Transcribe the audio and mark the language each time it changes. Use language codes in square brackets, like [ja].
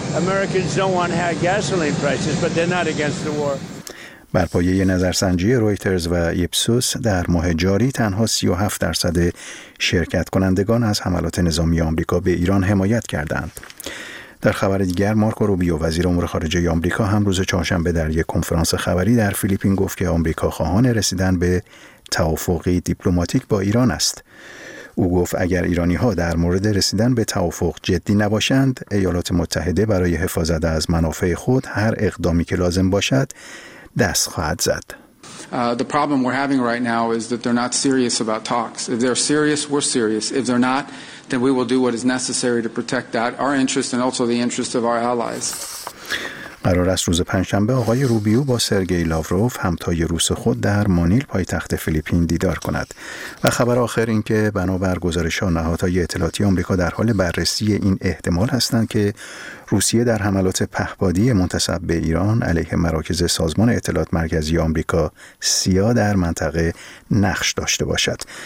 [en] Americans don't want high gasoline prices, but they're not against the war. [fa] بر پایه نظرسنجی رویترز و ایپسوس در ماه جاری تنها 37% شرکت کنندگان از حملات نظامی آمریکا به ایران حمایت کردند. در خبر دیگر، مارکو روبیو وزیر امور خارجه آمریکا هم روز چهارشنبه در یک کنفرانس خبری در فیلیپین گفت که آمریکا خواهان رسیدن به توافقی دیپلماتیک با ایران است. او گفت اگر ایرانی ها در مورد رسیدن به توافق جدی نباشند، ایالات متحده برای حفاظت از منافع خود هر اقدامی که لازم باشد دست خواهد زد. [en] The problem we're having right now is that they're not serious about talks. If they're serious, we're serious. If they're not, then we will do what is necessary to protect that our interest and also the interest of our allies. [fa] قرار است روز پنجشنبه آقای روبیو با سرگئی لاوروف همتای روس خود در مانیل پایتخت فیلیپین دیدار کند. و خبر آخر این که بنابر گزارش‌ها نهادهای اطلاعاتی آمریکا در حال بررسی این احتمال هستند که روسیه در حملات پهپادی منتسب به ایران علیه مراکز سازمان اطلاعات مرکزی آمریکا سیا در منطقه نقش داشته باشد.